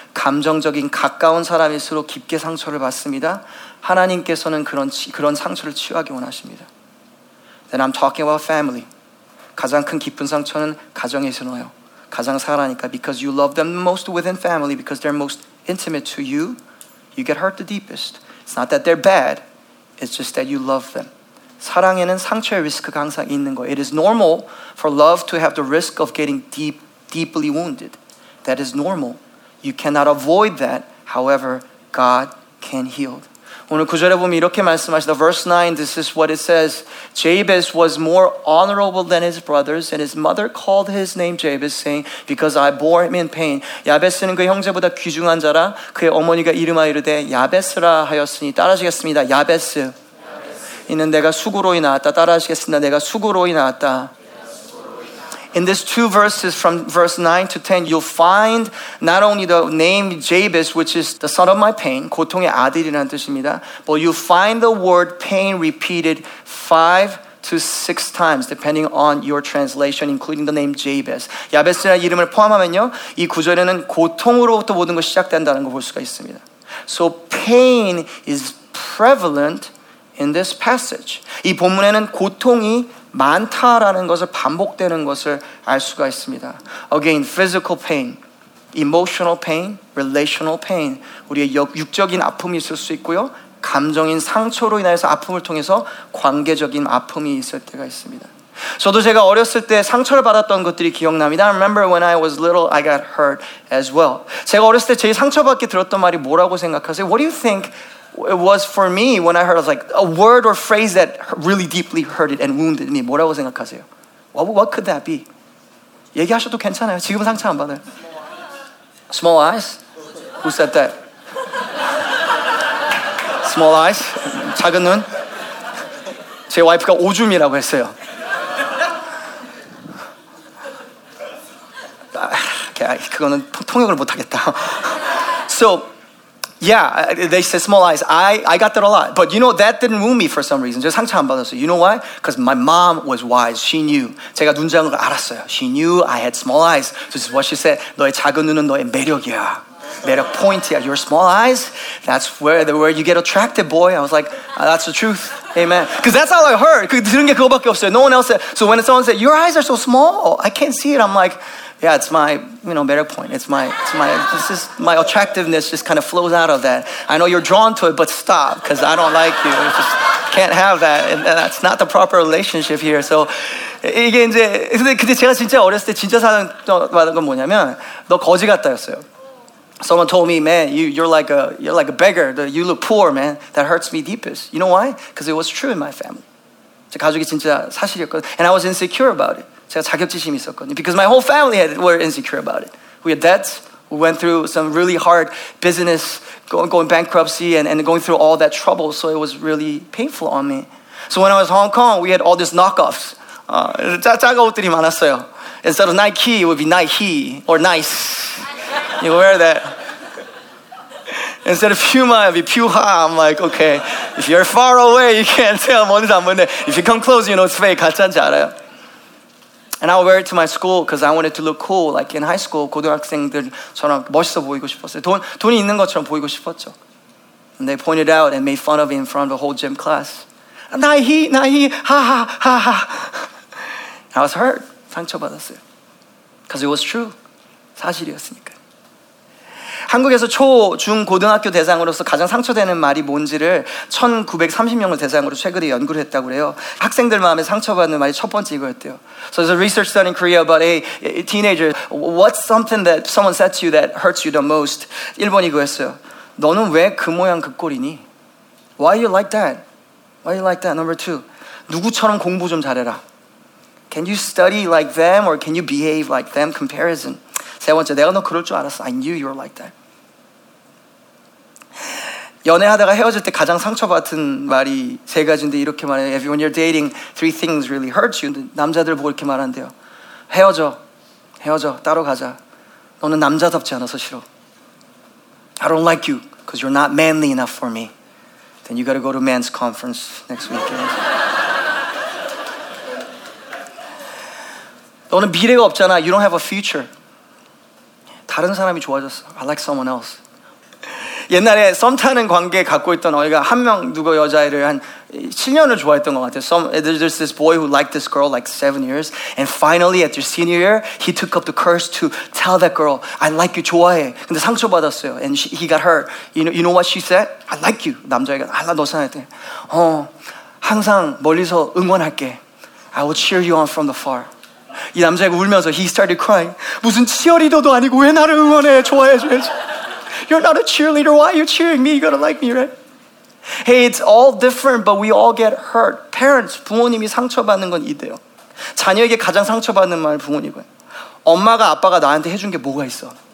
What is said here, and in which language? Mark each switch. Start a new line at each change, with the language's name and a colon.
Korean: 감정적인 가까운 사람일수록 깊게 상처를 받습니다. 하나님께서는 그런 상처를 치유하기 원하십니다.
English: Then I'm talking about family.
Korean: 가장 큰 깊은 상처는 가정에서 나요. 가장 사랑하니까
English: because you love them most within family because they're most intimate to you, you get hurt the deepest. It's not that they're bad. It's just that you love them.
Korean: 사랑에는 상처의 리스크가 항상 있는 거예요.
English: It is normal for love to have the risk of getting deeply wounded. That is normal. You cannot avoid that. However, God can heal.
Korean: 오늘 구절에 보면 이렇게 말씀하시다.
English: Verse 9, this is what it says. Jabez was more honorable than his brothers, and his mother called his name Jabez, saying, because I bore him in pain.
Korean: 야베스는 그 형제보다 귀중한 자라, 그의 어머니가 이름하여 이르되 야베스라 하였으니, 따라하시겠습니다. 야베스. 이는 내가 수고로이 낳았다. 따라하시겠습니다. 내가 수고로이 낳았다.
English: In these two verses from verse 9 to 10, you'll find not only the name Jabez, which is the son of my pain,
Korean: 고통의 아들이라는 뜻입니다.
English: But you'll find the word pain repeated five to six times, depending on your translation, including the name Jabez.
Korean: 야베스라는 이름을 포함하면요, 이 구절에는 고통으로부터 모든 것이 시작된다는 걸 볼 수가 있습니다.
English: So pain is prevalent in this passage.
Korean: 이 본문에는 고통이 많다라는 것을 반복되는 것을 알 수가 있습니다.
English: Again, physical pain, emotional pain, relational pain.
Korean: 우리의 육적인 아픔이 있을 수 있고요. 감정인 상처로 인해서 아픔을 통해서 관계적인 아픔이 있을 때가 있습니다. 저도 제가 어렸을 때 상처를 받았던 것들이 기억납니다.
English: I remember when I was little, I got hurt as well.
Korean: 제가 어렸을 때 제일 상처받게 들었던 말이 뭐라고 생각하세요?
English: What do you think it was for me when I heard it? I was like a word or phrase that really deeply hurted and wounded me.
Korean: 뭐라고 생각하세요?
English: What could that be?
Korean: 얘기하셔도 괜찮아요. 지금은 상처 안 받아요.
English: Small eyes? Who said that? Small eyes?
Korean: 작은 눈? 제 와이프가 오줌이라고 했어요. Okay, 그거는 통역을 못하겠다.
English: So, yeah, they said small eyes. I got that a lot. But you know, that didn't wound me for some reason.
Korean: 제가 상처 안 받았어요.
English: You know why? Because my mom was wise. She knew.
Korean: 제가 눈 작은 걸 알았어요.
English: She knew I had small eyes. So this is what she said.
Korean: 너의 작은 눈은 너의 매력이야.
English: Made a point at your small eyes. That's where you get attracted, boy. I was like, that's the truth. Amen. Because that's all I heard. 들은 게 그거밖에 없어요. No one else said. So when someone said, your eyes are so small, I can't see it. I'm like, yeah, it's my, you know, better point. This is my attractiveness just kind of flows out of that. I know you're drawn to it, but stop, because I don't like you. Just can't have that. And that's not the proper relationship here.
Korean: So, 이게 이제, 근데 제가 진짜 어렸을 때 진짜 사랑받은 건 뭐냐면, 너 거지 같다였어요.
English: Someone told me, man, you're like a beggar. You look poor, man. That hurts me deepest. You know why? Because it was true in my family.
Korean: 제 가족이 진짜 사실이었거든요.
English: And I was insecure about it.
Korean: 제가 자격지심이 있었거든요.
English: Because my whole family were insecure about it. We had debts. We went through some really hard business, going bankruptcy and going through all that trouble. So it was really painful on me. So when I was in Hong Kong, we had all these knockoffs.
Korean: 짜짜가 옷들이 많았어요.
English: Instead of Nike, it would be Nike or Nice. You wear that. Instead of Puma, it'd be Puha. I'm like, okay, if you're far away, you can't tell. If you come close, you know it's fake.
Korean: 가짜인지 알아요.
English: And I would wear it to my school because I wanted to look cool. Like in high school,
Korean: 고등학생들처럼 멋있어 보이고 싶었어요. 돈이 있는 것처럼 보이고 싶었죠.
English: And they pointed out and made fun of me in front of the whole gym class. Nahi, nahi, ha, ha, ha, ha. I was hurt.
Korean: 상처받았어요.
English: Because it was true.
Korean: 사실이었으니까. 한국에서 초, 중, 고등학교 대상으로서 가장 상처되는 말이 뭔지를 1930명을 대상으로 최근에 연구를 했다고 해요. 학생들 마음에 상처받는 말이 첫 번째 이거였대요.
English: So there's a research done in Korea about a teenager. What's something that someone said to you that hurts you the most?
Korean: 1번 이거였어요. 너는 왜 그 모양 그 꼴이니?
English: Why you like that? Why you like that? Number two.
Korean: 누구처럼 공부 좀 잘해라.
English: Can you study like them or can you behave like them? Comparison.
Korean: 세 번째, 내가 너 그럴 줄 알았어.
English: I knew you were like that.
Korean: 연애하다가 헤어질 때 가장 상처받은 말이 세 가지인데 이렇게 말해요.
English: When you're dating, three things really hurt you.
Korean: 남자들 보고 이렇게 말한대요. 헤어져. 헤어져. 따로 가자. 너는 남자답지 않아서 싫어.
English: I don't like you because you're not manly enough for me. Then you gotta go to men's conference next weekend.
Korean: 너는 미래가 없잖아.
English: You don't have a future.
Korean: 다른 사람이 좋아졌어.
English: I like someone else.
Korean: 옛날에 썸 타는 관계 갖고 있던 어이가 한 명 누구 여자애를 한 7년을 좋아했던 것 같아요.
English: There's this boy who liked this girl like 7 years. And finally at their senior year, he took up the courage to tell that girl, I like you,
Korean: 좋아해. 근데 상처받았어요.
English: And he got hurt. You know what she said? I like you.
Korean: 남자애가, 알라 너 사랑해. 항상 멀리서 응원할게.
English: I will cheer you on from the far.
Korean: 이 남자애가 울면서
English: he started crying.
Korean: 무슨 치어리더도 아니고 왜 나를 응원해? 좋아해줘야지.
English: You're not a cheerleader. Why are you cheering me? You gotta like me, right? Hey, it's all different, but we all get hurt.
Korean: Parents, 부모님이 상처받는 건 이대요. 자녀에게 가장 상처받는 말 부모님은 엄마가 아빠가 나한테 해준 게 뭐가 있어?